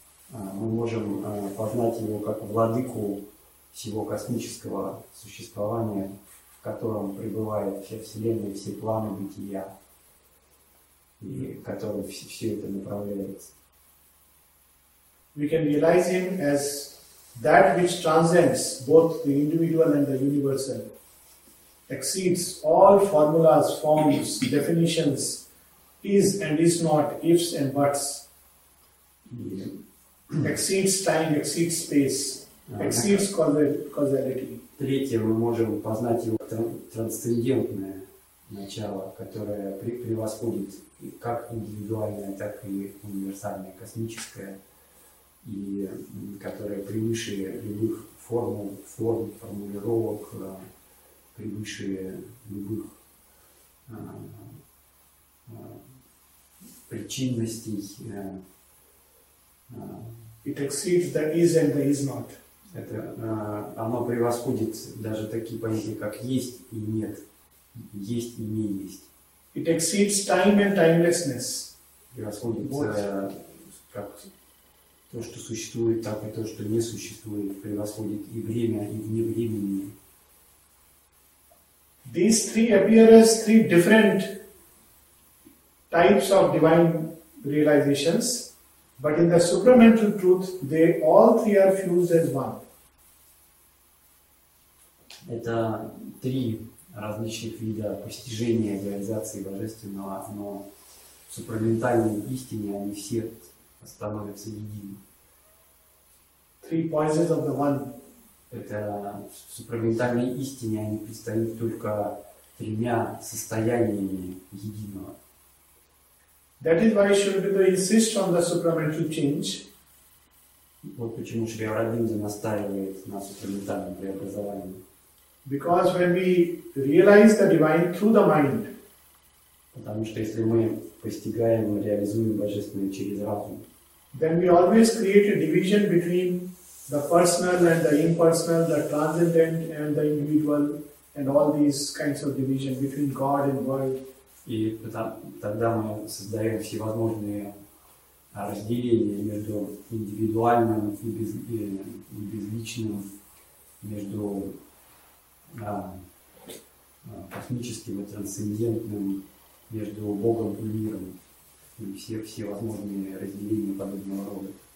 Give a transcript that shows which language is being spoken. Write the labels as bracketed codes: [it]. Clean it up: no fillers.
[ru] Мы можем познать его как владыку всего космического существования, в котором пребывает вся Вселенная, все планы бытия, и которым все это направляется. [en] We can realize him as that which transcends both the individual and the universal, exceeds all formulas, forms, definitions, is and is not, ifs and buts, exceeds time, exceeds space, exceeds causality. [ru] Третье, мы можем познать его трансцендентное начало, которое превосходит как индивидуальное, так и универсальное, космическое, и которое превыше любых форм, формулировок, превыше любых причинностей. [en] It exceeds the is and the is not. [ru] Это оно превосходит даже такие понятия, как есть и нет, есть и не есть. [en] It exceeds time and timelessness. [ru] Превосходит как то, что существует, так и то, что не существует, превосходит и время, и вне времени. [en] These three appear as three different types of divine realizations, but in the supramental truth, they all three are fused as one. [ru] Это три различных вида постижения реализации божественного, но в супраментальной истине они все становятся едины. [en] Three poises of the one. [ru] Это в супраментальной истине они предстают только тремя состояниями единого. [en] That is why Sri Aurobindo insists on the supramental change. [ru] Вот почему Шри Аурабиндо настаивает на супраментальном преобразовании. [en] Because when we realize the divine through the mind. [ru] Потому что если мы постигаем и реализуем божественное через разум, [en] then we always create a division between the personal and the impersonal, the transcendent and the individual, and all these kinds of division between God and world. [ru] И тогда мы создаем всевозможные разделения между индивидуальным и безличным, между космическим и трансцендентным, между Богом и миром, и все возможные разделения подобного рода.